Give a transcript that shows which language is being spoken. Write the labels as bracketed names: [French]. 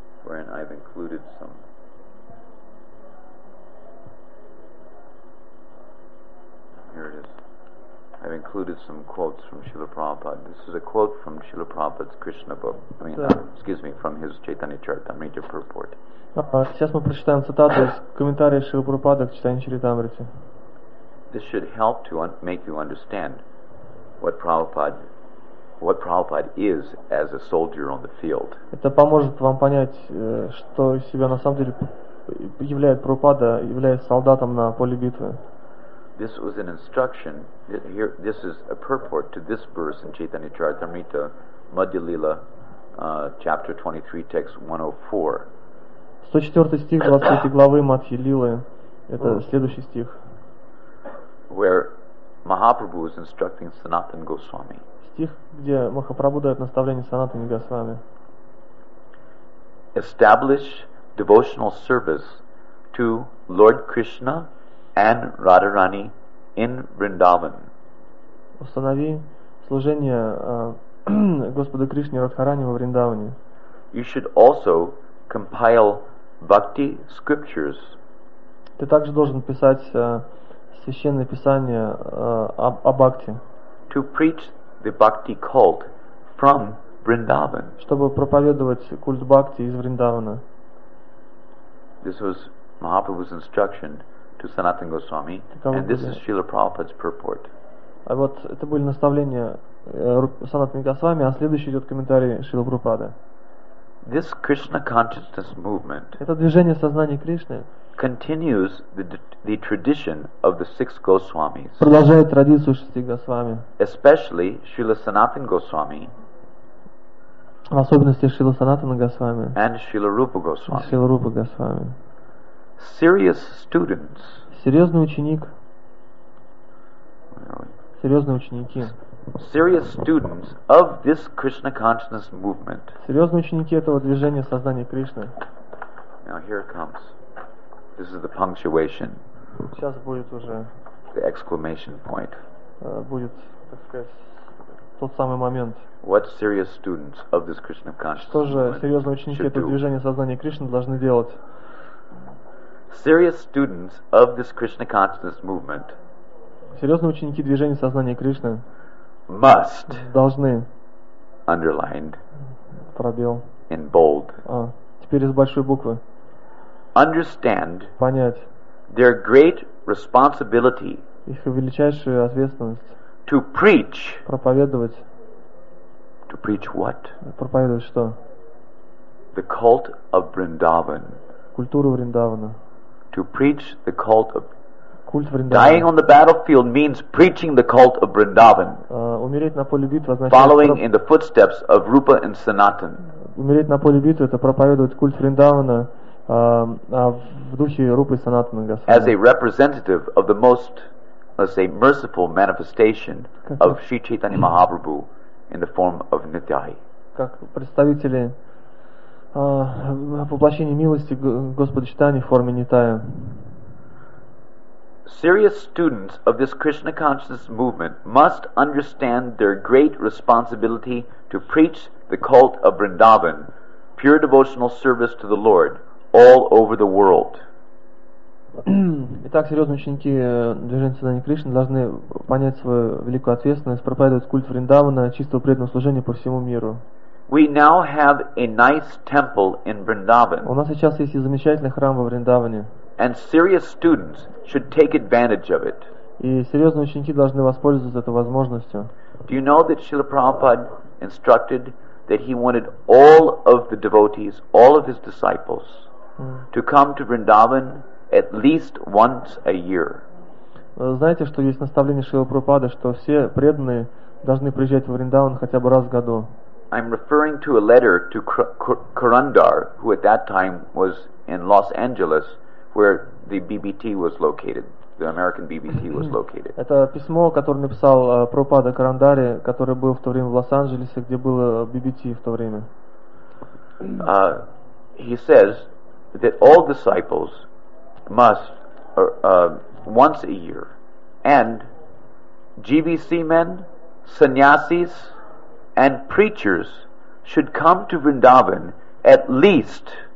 [English] I've included some. Here it is. I've included some quotes from Srila Prabhupada. This is a quote from Srila Prabhupada's Krishna book. From his Chaitanya Charitamrita purport. [Russian] Сейчас мы прочитаем цитату из комментария Шрилы Прабхупады к Чайтанья Чаритамрите. [English] This should help to make you understand what Prabhupada is as a soldier on the field. [Russian] Это поможет вам понять, что из себя на самом деле являет Прабхупада, являясь солдатом на поле битвы. [English] This was an instruction. This is a purport to this verse in Chaitanya Charitamrita, Madhya Lila, chapter 23, text 104. [Russian] 104 стих 23 главы Мадхи Лилы. Это следующий стих. [English] Where Mahaprabhu is instructing Sanatana Goswami. [Russian] Стих, где Махапрабху дает наставление Санатане Госвами. [English] Establish devotional service to Lord Krishna and Radharani in Vrindavan. [Russian] Установи служение Господу Кришне и Радхарани во Вриндаване. [English] You should also compile bhakti scriptures. [Russian] Ты также должен писать священное писание о бхакти. [English] To preach the bhakti cult from Vrindavan. [Russian] Чтобы проповедовать культ бхакти из Вриндавана. [English] This was Mahaprabhu's instruction to Sanatan Goswami, and this is Srila Prabhupada's purport. [Russian] А вот это были наставления Санатана Госвами, а следующий идет комментарий Шрилы Прабхупады. [English] This Krishna consciousness movement. [Russian] Это движение сознания Кришны. [English] Continues the tradition of the six Goswamis. [Russian] Продолжает традицию шести Госвами. [English] Especially Srila Sanatan Goswami. [Russian] В особенности Шрила Санатана Госвами. [English] And Srila Rupa Goswami. [Russian] Шрила Рупа Госвами. [English] Serious students. [Russian] Серьезный ученик. Серьезные ученики. [English] Serious students of this Krishna consciousness movement. [Russian] Серьезные ученики этого движения сознания Кришны. [English] Now here it comes. This is the punctuation. [Russian] Сейчас будет уже. [English] The exclamation point. [Russian] Будет, так сказать, тот самый момент. [English] What serious students of this Krishna consciousness movement? [Russian] Что же серьезные ученики этого движения сознания Кришны должны делать? [English] Serious students of this Krishna consciousness movement. [Russian] Серьезные ученики движения сознания Кришны [English] must [Russian] должны [English] underlined [Russian] пробел [English] in bold [Russian] теперь из большой буквы [English] understand [Russian] понять [English] their great responsibility [Russian] их величайшую ответственность [English] to preach [Russian] проповедовать [English] to preach what [Russian] проповедовать что [English] the cult of Vrindavan [Russian] культуру Вриндавана [English] to preach the cult of [Russian] Культ [English] Dying on the battlefield means preaching the cult of Vrindavan. [Russian] Умереть на поле битвы означает [English] following in the footsteps of Rupa and Sanatan. [Russian] Умереть на поле битвы это проповедовать культ Вриндавана в духе Рупы и Санатана Госвами. [English] As a representative of the most, let's say, merciful manifestation of Sri Chaitanya Mahaprabhu in the form of Nityai. [Russian] Как представители воплощения милости Господа Читани в форме Нитая. [English] Serious students of this Krishna consciousness movement must understand their great responsibility to preach the cult of Vrindavan, pure devotional service to the Lord, all over the world. [Russian] Итак, серьезные ученики движения сознания Кришны должны понять свою великую ответственность, проповедовать культ Вриндавана, чистого преданного служения по всему миру. [English] We now have a nice temple in Vrindavan. [Russian] У нас сейчас есть замечательный храм во Вриндаване. [English] And serious students should take advantage of it. [Russian] И серьезные ученики должны воспользоваться этой возможностью. [English] Do you know that Srila Prabhupada instructed that he wanted all of the devotees, all of his disciples, to come to Vrindavan at least once a year? [Russian] Знаете, что есть наставление Шрилы Прабхупады, что все преданные должны приезжать в Вриндаван хотя бы раз в году. [English] I'm referring to a letter to Kurandar, who at that time was in Los Angeles. Where the BBT was located, the American BBT was located. [Russian] Это письмо, которое написал Прабхупада Карандари, который был в то время в Лос-Анджелесе, где было BBT в то время. [English] He says that all disciples must once a year, and GBC men, sannyasis, and preachers should come to Vrindavan at least.